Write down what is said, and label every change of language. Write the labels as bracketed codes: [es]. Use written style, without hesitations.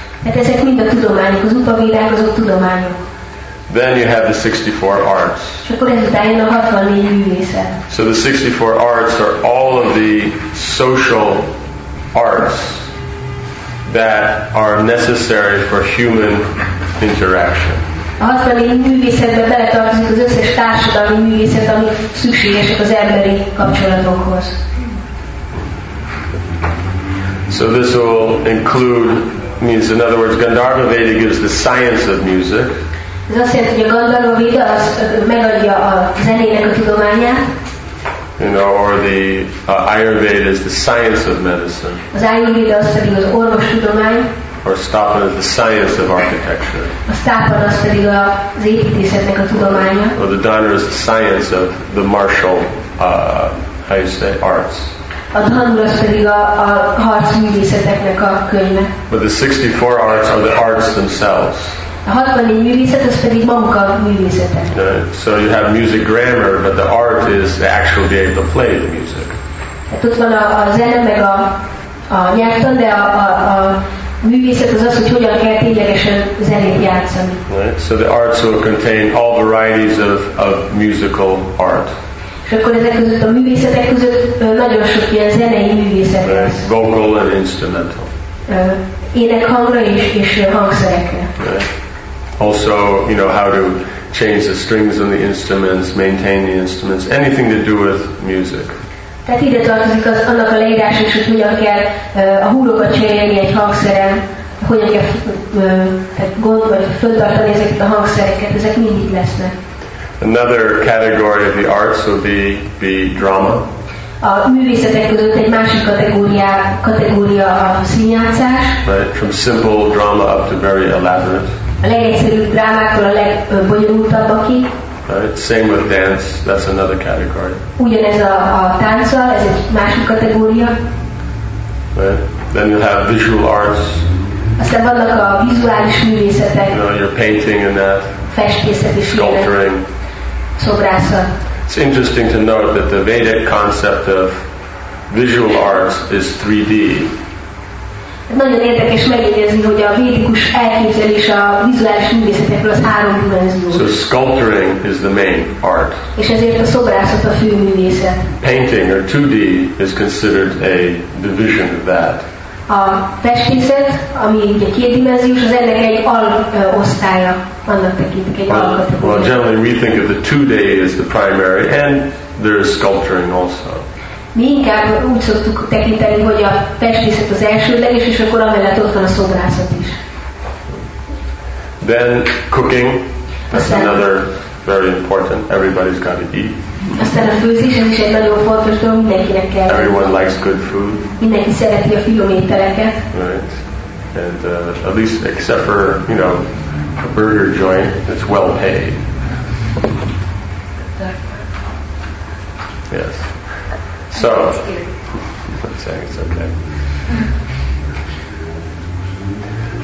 [hu] Ezek mind a tudományok, az Upavédák azok tudományok. [en] Then you have the 64 arts. [hu] És akkor ezután a 64 művészet. [en] So the 64 arts are all of the social arts that are necessary for human interaction. [hu] A 64 művészetbe beletartozik az összes társadalmi művészet, ami szükségesek az emberi kapcsolatokhoz. [en] So this will include, means in other words, Gandharva Veda gives the science of music. [hu] Ez azt jelenti, hogy a Gandharva Veda az megadja a zenének a tudományát. [en] You know, or the Ayurveda is the science of medicine. [hu] Az Ayurveda az pedig az orvos tudomány. [en] Or Stapana is the science of architecture. [hu] A Stapana az pedig az építészetnek a tudománya. [en] Or the Dhanur is the science of the martial, how you say, arts. [hu] A Dhanur az pedig a harc művészeteknek a könyve. [en] But the 64 arts are the arts themselves. [hu] A 64 művészet az pedig maguk a művészetek. [en] So you have music grammar, but the art is the actual being able to play the music. [hu] Hát ott van a zene meg a nyelvtan, de a művészet az hogy hogyan kell ténylegesen zenét játszani. [en] Right. So the arts will contain all varieties of musical art. [hu] És akkor ezek között a művészetek között nagyon sok ilyen zenei művészet. [en] Vocal and instrumental. [hu] Énekhangra és hangszerekre. [en] Also, you know, how to change the strings on the instruments, maintain the instruments, anything to do with music. [hu] Tehát ide tartozik az annak a leírás is, hogy hogyan kell a húrokat cserélni egy hangszeren, hogyan kell gond vagy föntartani ezeket a hangszereket, ezek mind itt lesznek. [en] Another category of the arts would be drama. [hu] A művészetek között egy másik kategória a színjátszás. [en] Right, from simple drama up to very elaborate. [hu] A legegyszerűbb drámától a legbonyolultabbakig. [en] Right. Same with dance, that's another category. [hu] Ugyanez a tánccal, ez egy másik kategória. [en] Right. Then you have visual arts. [hu] Aztán vannak a vizuális művészetek. [en] You know, your painting and that. [hu] Festészet is. [en] Sculpturing. [hu] Szobrászat. [en] It's interesting to note that the Vedic concept of visual arts is 3D. [hu] Nagyon érdekes megjegyezni, hogy a védikus elképzelés a vizuális művészetekről az három dimenzió. [en] So sculpturing is the main art. [hu] És ezért a szobrászat a fő művészet. [en] Painting or 2D is considered a division of that. [hu] A festészet, ami ugye kétdimenziós, az ennek egy alosztálya, annak tekintik egy alkategória. [en] Well, generally we think of the 2D as the primary, and there is sculpturing also. [hu] Mi inkább úgy szoktuk tekinteni, hogy a festészet az elsődleges, és akkor amellett ott van a szobrászat is. [en] Then cooking, that's another very important. Everybody's got to eat. [hu] Aztán a főzés, ez is egy nagyon fontos dolog, mindenkinek kell. [en] Everyone likes good food. [hu] Mindenki szereti a finom ételeket. [en] Right. And at least, except for, you know, a burger joint, it's well paid. Yes. So, I'm saying it's okay.